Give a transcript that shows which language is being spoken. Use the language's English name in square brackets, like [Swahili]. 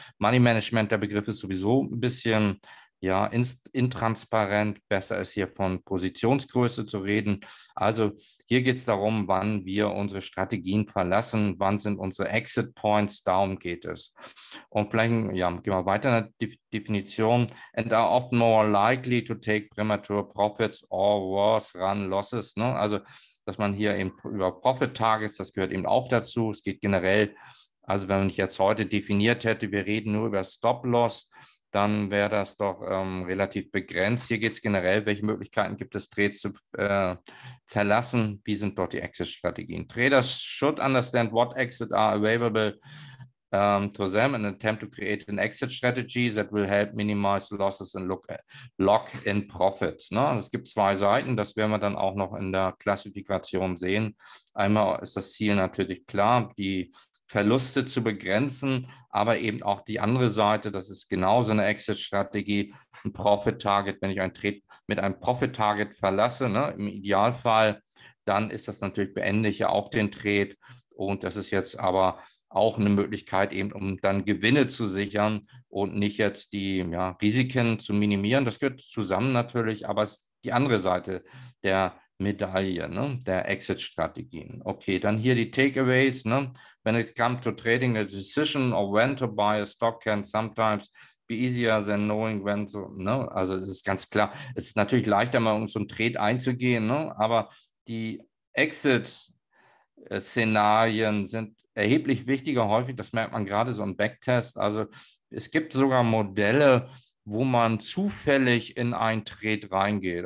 [German] Money Management, der Begriff ist sowieso ein bisschen ja, intransparent, besser ist hier von Positionsgröße zu reden. Also hier geht es darum, wann wir unsere Strategien verlassen, wann sind unsere Exit-Points, darum geht es. Und vielleicht, ja, gehen wir weiter in der Definition. [English] And are often more likely to take premature profits or worse run losses. [German] Ne? Also, dass man hier eben über Profit-Targets, das gehört eben auch dazu. Es geht generell, also wenn ich jetzt heute definiert hätte, wir reden nur über Stop-Loss, dann wäre das doch relativ begrenzt. Hier geht es generell, welche Möglichkeiten gibt es, Trades zu verlassen? Wie sind dort die Exit-Strategien? [English] Traders should understand what exits are available to them and attempt to create an exit strategy that will help minimize losses and lock in profits. [German] Ne? Also es gibt zwei Seiten, das werden wir dann auch noch in der Klassifikation sehen. Einmal ist das Ziel natürlich klar, die Verluste zu begrenzen, aber eben auch die andere Seite, das ist genauso eine Exit-Strategie, ein Profit-Target, wenn ich ein Trade mit einem Profit-Target verlasse, ne, im Idealfall, dann ist das natürlich, beende ich ja auch den Trade und das ist jetzt aber auch eine Möglichkeit, eben um dann Gewinne zu sichern und nicht jetzt die ja, Risiken zu minimieren, das gehört zusammen natürlich, aber es ist die andere Seite der Medaille, ne, der Exit-Strategien. Okay, dann hier die Takeaways. Ne? [English] When it comes to trading a decision of when to buy a stock can sometimes be easier than knowing when to, ne? [German] Also es ist ganz klar, es ist natürlich leichter, mal um so einen Trade einzugehen, ne? Aber die Exit-Szenarien sind erheblich wichtiger häufig, das merkt man gerade so im Backtest. Also es gibt sogar Modelle, wo man zufällig in einen Trade reingeht.